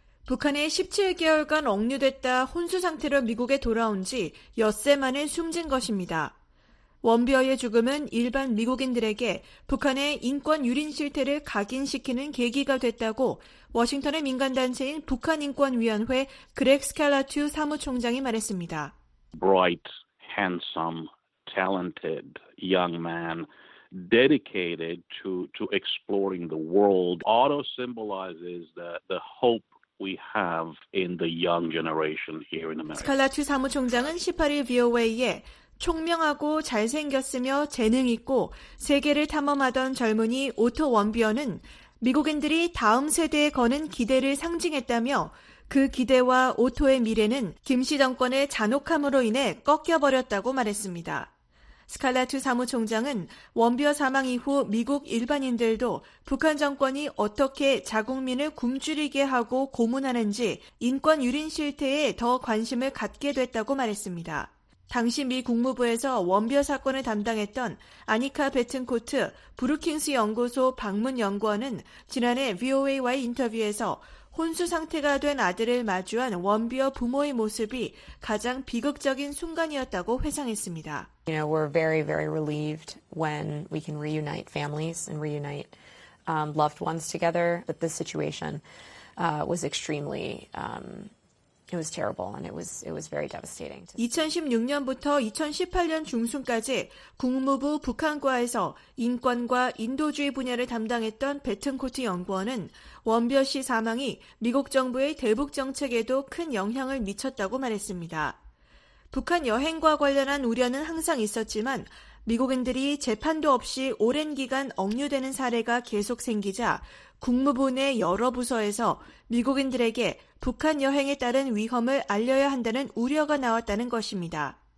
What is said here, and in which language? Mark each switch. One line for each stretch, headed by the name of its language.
Korean: 북한에 17개월간 억류됐다 혼수 상태로 미국에 돌아온 지 엿새 만에 숨진 것입니다. 원비어의 죽음은 일반 미국인들에게 북한의 인권 유린 실태를 각인시키는 계기가 됐다고 워싱턴의 민간단체인 북한인권위원회 그렉 스칼라투 사무총장이 말했습니다.
English: Bright, handsome, talented young man dedicated to exploring the world. Auto symbolizes the hope we have in the young generation here in America.
Korean: 스칼라투 사무총장은 18일 VOA에 총명하고 잘생겼으며 재능 있고 세계를 탐험하던 젊은이 오토 원비어는 미국인들이 다음 세대에 거는 기대를 상징했다며 그 기대와 오토의 미래는 김씨 정권의 잔혹함으로 인해 꺾여버렸다고 말했습니다. 스칼라투 사무총장은 원비어 사망 이후 미국 일반인들도 북한 정권이 어떻게 자국민을 굶주리게 하고 고문하는지 인권 유린 실태에 더 관심을 갖게 됐다고 말했습니다. 당시 미 국무부에서 원비어 사건을 담당했던 아니카 베튼코트 브루킹스 연구소 방문 연구원은 지난해 VOA와의 인터뷰에서 혼수 상태가 된 아들을 마주한 원비어 부모의 모습이 가장 비극적인 순간이었다고 회상했습니다.
English: You know, we're very, very relieved when we can reunite families and reunite loved ones together. But this situation was extremely It was terrible and it was very devastating.
Korean: 2016년부터 2018년 중순까지 국무부 북한과에서 인권과 인도주의 분야를 담당했던 베튼코트 연구원은 원비어 씨 사망이 미국 정부의 대북 정책에도 큰 영향을 미쳤다고 말했습니다. 북한 여행과 관련한 우려는 항상 있었지만 미국인들이 재판도 없이 오랜 기간 억류되는 사례가 계속 생기자 국무부 내 여러 부서에서 미국인들에게 북한 여행에 따른 위험을 알려야 한다는 우려가 나왔다는 것입니다.